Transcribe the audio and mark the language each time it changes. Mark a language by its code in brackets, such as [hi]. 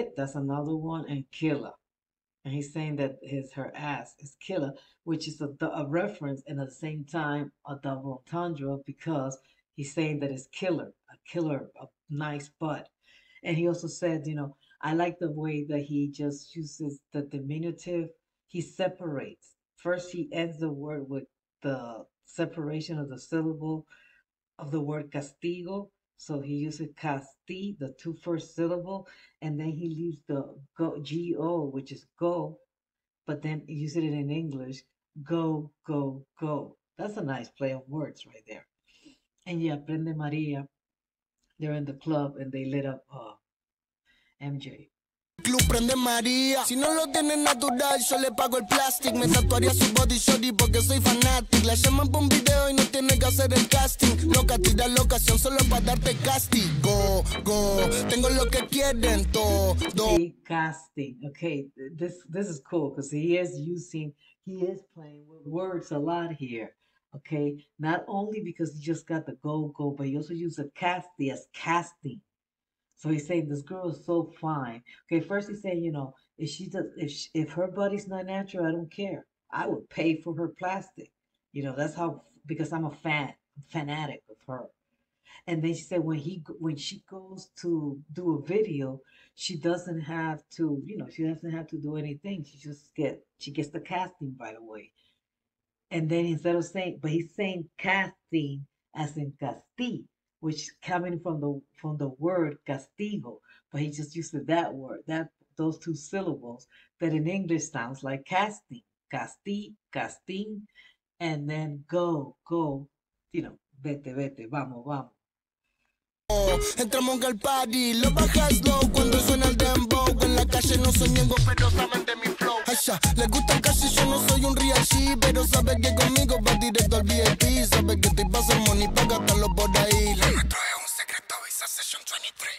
[en] That's another one, and Killa. And he's saying that her ass is killer, which is a reference and at the same time a double entendre because he's saying that it's killer, a nice butt. And he also said, you know, I like the way that he just uses the diminutive. He separates. First, he ends the word with the separation of the syllable of the word castigo. So he uses casti, the two first syllable, and then he leaves the go, G-O, which is go, but then he uses it in English, go. That's a nice play of words right there. And yeah, Prende Maria, they're in the club and they lit up MJ. [es] Club prende María. Si no lo tiene natural, yo le pago el plastic. Me tatuaría su body shorty porque soy fanatic. La llaman por un video y no tiene que hacer el casting. Loca, tira la locación solo para darte castigo. Go, tengo lo que quieren todo. [en] Casting. Okay, this is cool because he is playing with words a lot here. Okay, not only because he just got the go, but he also used a casti as casting. So he's saying this girl is so fine. Okay, first he's saying, you know, if she does, if her body's not natural, I don't care. I would pay for her plastic. You know, that's how, because I'm a fan, fanatic of her. And then she said when she goes to do a video, she doesn't have to, you know, she doesn't have to do anything. She gets the casting, by the way. And then instead of saying, but he's saying casting as in casti, which coming from the word castigo, but he just used that word, that those two syllables that in English sounds like casting, casti, casting, and then go, you know, [es] vete, vete, vamos, vamos. Entramos en el party, lo bajas low. Cuando suena el dembow, en la calle no soy ñengo, pero saben de mi flow. Ella le gusta casi, yo no soy un real G, pero sabe que conmigo va directo al VIP. Sabe que te pasa money pa' gastarlo por ahí. Lo nuestro es un secreto, Visa Session 23.